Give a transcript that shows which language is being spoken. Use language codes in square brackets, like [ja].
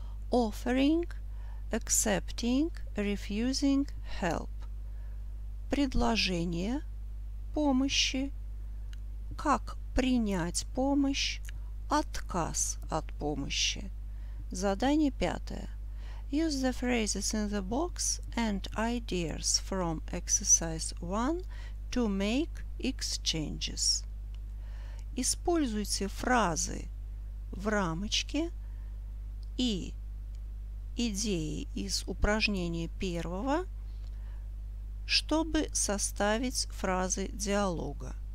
[en] Offering. Accepting. Refusing. Help. [ru] Предложение. Помощи, как принять помощь, отказ от помощи. Задание пятое. [en] Use the phrases in the box and ideas from exercise 1 to make exchanges. [ru] Используйте фразы в рамочке и идеи из упражнения первого, чтобы составить фразы диалога.